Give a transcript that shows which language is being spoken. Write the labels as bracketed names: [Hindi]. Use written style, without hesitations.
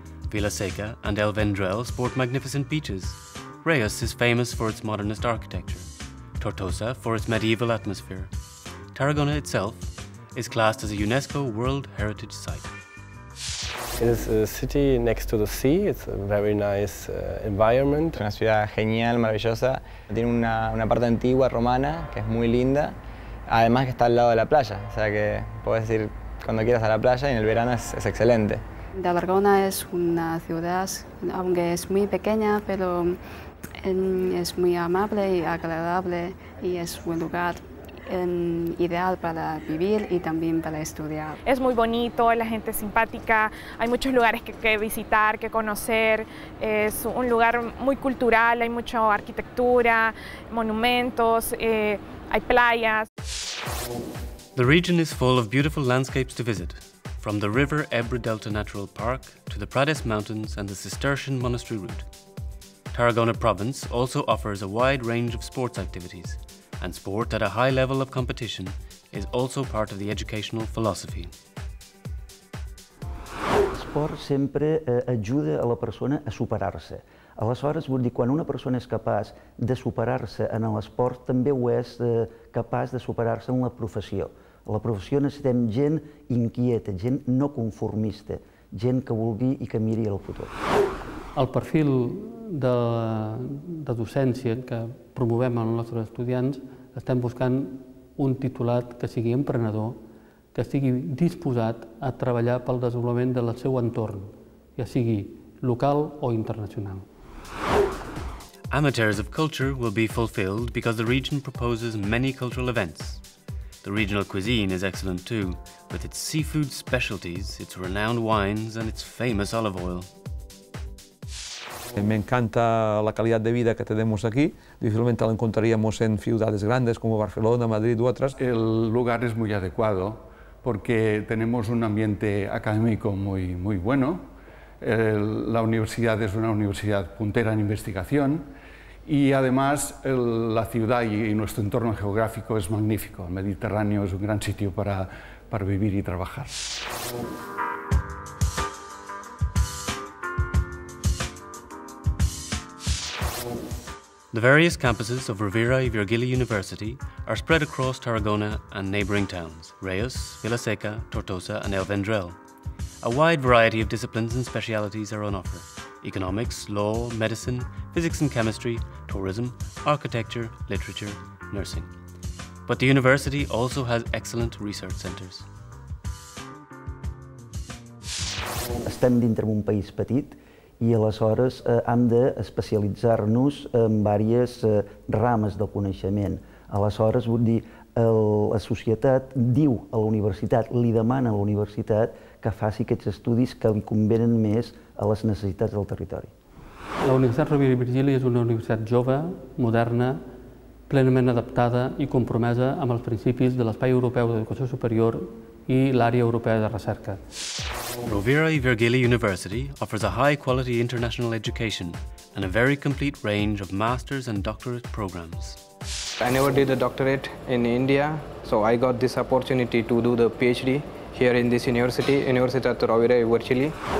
[English] Vila Seca and El Vendrell sport magnificent beaches. Reus is famous for its modernist architecture. Tortosa for its medieval atmosphere. Tarragona itself is classed as a UNESCO World Heritage Site. It is a city next to the sea. It's a very nice environment. [Spanish] Una ciudad genial, maravillosa. Tiene una parte antigua romana que es muy linda. Además que está al lado de la playa, o sea que puedes ir cuando quieras a la playa y en el verano es excelente. Tarragona es una ciudad, aunque es muy pequeña, pero es muy amable y agradable y es un lugar ideal para vivir y también para estudiar. Es muy bonito, la gente es simpática, hay muchos lugares que visitar, que conocer. Es un lugar muy cultural, hay mucha arquitectura, monumentos, hay playas. [English] The region is full of beautiful landscapes to visit, from the River Ebro Delta Natural Park to the Prades Mountains and the Cistercian Monastery route. Tarragona province also offers a wide range of sports activities, and sport at a high level of competition is also part of the educational philosophy. [Catalan] Sport sempre ajuda a la persona a superar-se. Aleshores, vull dir, quan una persona és capaç de superar-se en l'esport, també ho és capaç de superar-se en la professió. A la professió necessitem gent inquieta, gent no conformista, gent que vulgui i que miri el futur. El perfil de docència que promovem als nostres estudiants, estem buscant un titulat que sigui emprenedor, que estigui disposat a treballar pel desenvolupament del seu entorn, ja sigui local o internacional. [English] Amateurs of culture will be fulfilled because the region proposes many cultural events. The regional cuisine is excellent too, with its seafood specialties, its renowned wines and its famous olive oil. [Spanish] Me encanta la calidad de vida que tenemos aquí. Difícilmente la encontraríamos en ciudades grandes como Barcelona, Madrid u otras. El lugar es muy adecuado porque tenemos un ambiente académico muy, muy bueno. La universidad es una universidad puntera en investigación. Y además la ciudad y nuestro entorno geográfico es magnífico. El Mediterráneo es un gran sitio para vivir y trabajar. [English] The various campuses of Rovira I Virgili University are spread across Tarragona and neighbouring towns, Reus, Vila Seca, Tortosa and El Vendrell. A wide variety of disciplines and specialities are on offer. Economics, law, medicine, physics and chemistry, tourism, architecture, literature, nursing. But the university also has excellent research centres. [Catalan] Estem dintre d'un país petit i aleshores hem d'especialitzar-nos en diverses rames de coneixement. Aleshores, vull dir, la societat diu a la universitat, li demana a la universitat que faci aquests estudis que li convenen més a les necessitats del territori. La Universitat Rovira I Virgili és una universitat jove, moderna, plenament adaptada i compromesa amb els principis de l'Espai Europeu d'Educació Superior i l'Àrea Europea de Recerca. [English] Rovira I Virgili University offers a high-quality international education and a very complete range of master's and doctorate programs. I never did a doctorate in India, so I got this opportunity to do the PhD here in this university, Universitat Rovira I Virgili.